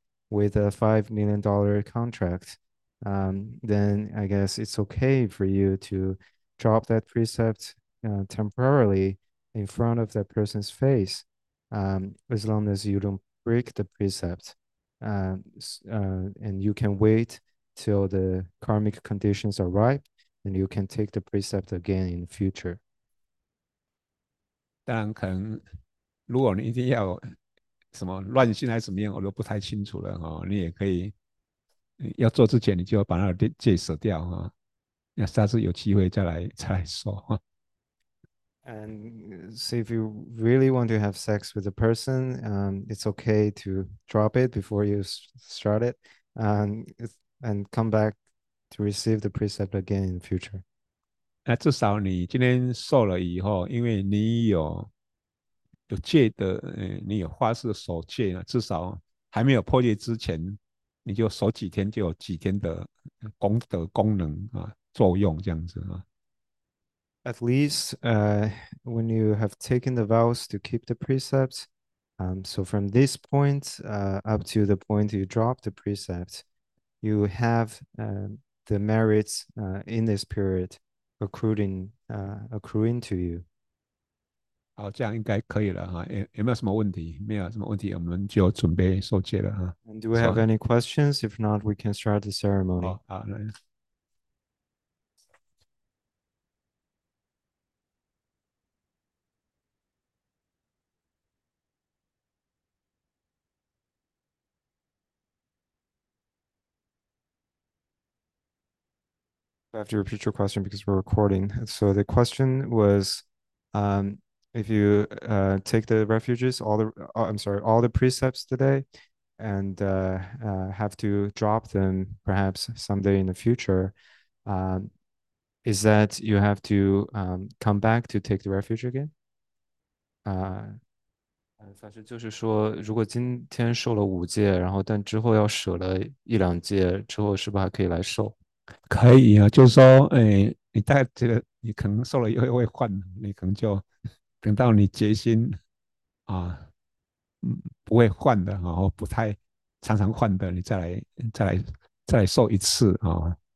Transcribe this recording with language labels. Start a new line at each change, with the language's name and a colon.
English: with a $5 million contract, then I guess it's okay for you to drop that precept temporarily in front of that person's face, as long as you don't break the precept, and you can wait till the karmic conditions are ripe, and you can take the precept again in the future.
Chinese: 当然，可能如果你一定要什么乱性还是怎么样，我都不太清楚了哦。你也可以要做之前，你就把那戒舍掉哈。那下次有机会再来说。
English: And so if you really want to have sex with a person, it's okay to drop it before you start it and come back to receive the precept again in the future.
Chinese: 那至少你今天受了以后，因为你有戒的，你有发誓守戒，至少还没有破戒之前，你就守几天就有几天的功能啊，作用这样子啊。
English: At least when you have taken the vows to keep the precepts, so from this point up to the point you drop the precept, you have the merits in this period accruing to you.
Chinese: 好，这样应该可以了哈。有没有什么问题？没有什么问题，我们就准备受戒了哈。
English: And do we have any questions? If not, we can start the ceremony.
Chinese: 好，来。
English: I have to repeat your question because we're recording. So the question was, if you take the refuges, all the precepts today, and have to drop them perhaps someday in the future, is that you have to come back to take the refuge again?
Chinese: 反正就是说，如果今天受了五戒，然后但之后要舍了一两戒，之后是不是还可以来受？可以啊，就是说，你大概觉得你可能受了又会换，你可能就等到你决心啊，不会换的哈，不太常常换的，你再来受一次啊。